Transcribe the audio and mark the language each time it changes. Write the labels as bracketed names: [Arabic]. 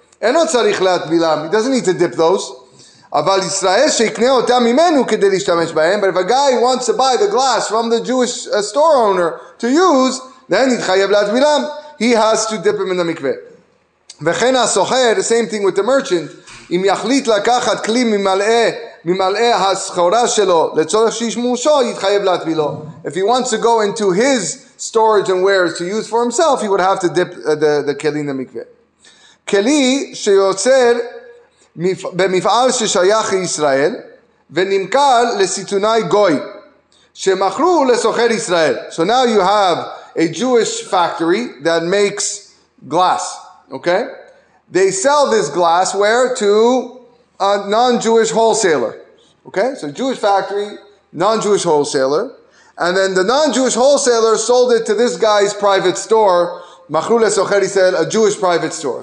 [English] He doesn't need to dip those. But if a guy wants to buy the glass from the Jewish store owner to use, then he has to dip him in the mikveh. The same thing with the merchant. [Hebrew] אם יחליט לקחת כלי ממלאה הסחורה שלו לצורך שישמושו, יתחייב להטבילו. [English] If he wants to go into his storage and wares to use for himself, he would have to dip the כלי למקווה. [Hebrew] כלי שיוצר במפעל ששייך לישראל, ונמכר לסיתונאי גוי, שמכרו לסוחר ישראל. [English] So now you have a Jewish factory that makes glass, okay? They sell this glassware to a non-Jewish wholesaler. Okay? So Jewish factory, non-Jewish wholesaler. And then the non-Jewish wholesaler sold it to this guy's private store, [Hebrew] Machru le-socher Yisrael, [English] a Jewish private store.